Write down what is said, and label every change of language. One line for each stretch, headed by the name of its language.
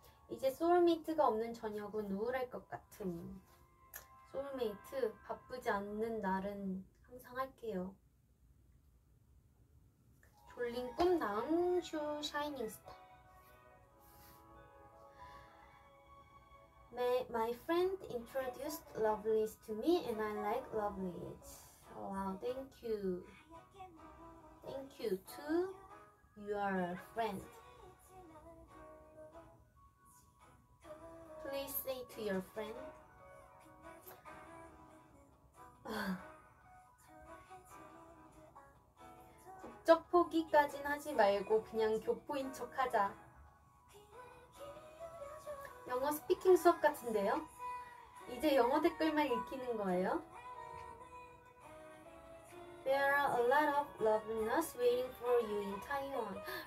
Korean: 이제 소울메이트가 없는 저녁은 우울할 것 같음. 소울메이트 바쁘지 않는 날은 항상 할게요. 졸린 꿈 나은 슈 샤이닝 스타.
English: My friend introduced lovelies to me and I like lovelies. Wow, thank you. Thank you to your friend. Please say to your friend.
Korean: 국적 포기까진 하지 말고 그냥 교포인 척 하자. 영어 스피킹 수업 같은데요? 이제 영어 댓글만 읽히는 거예요?
English: There are a lot of loveliness waiting for you in Taiwan.